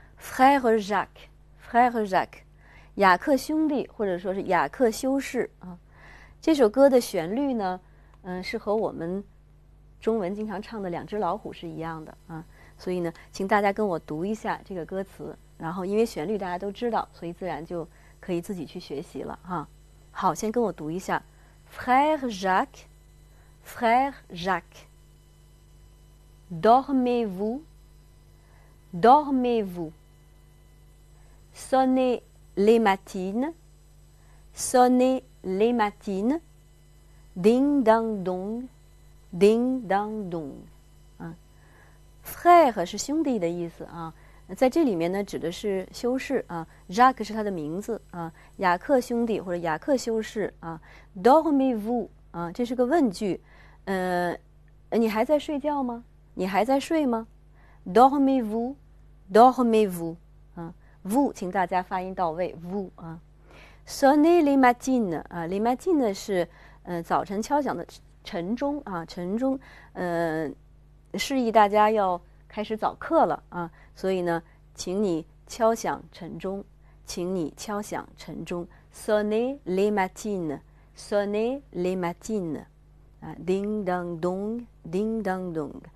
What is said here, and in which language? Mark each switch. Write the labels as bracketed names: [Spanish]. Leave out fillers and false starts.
[French] Frère Jacques, Frère Jacques, [Chinese] 雅克兄弟或者说是雅克修士啊。这首歌的旋律呢，是和我们中文经常唱的《两只老虎》是一样的啊。所以呢，请大家跟我读一下这个歌词，然后因为旋律大家都知道，所以自然就可以自己去学习了哈。好，先跟我读一下 [French] ：Frère Jacques, Frère Jacques, dormez-vous, dormez-vous, sonnez les matines, sonnez les matines, ding dong dong, ding dong dong。 [Chinese] Frère 是兄弟的意思啊，在这里面呢指的是修士啊 ，Jacques 是他的名字啊，雅克兄弟或者雅克修士啊 ， [French] Dormez-vous [Chinese] 啊，这是个问句，你还在睡觉吗？你还在睡吗 ？Dormez-vous，Dormez-vous 啊 ，vous 请大家发音到位 ，vous 啊 ， [French] Sonnez les matines [Chinese] 啊 ，les matines 是早晨敲响的晨钟啊，晨钟，示意大家要开始早课了啊，所以呢，请你敲响晨钟，请你敲响晨钟 ， [French] sonnez les matines，sonnez les matines， [Chinese] 啊 ，ding dong dong，ding dong dong。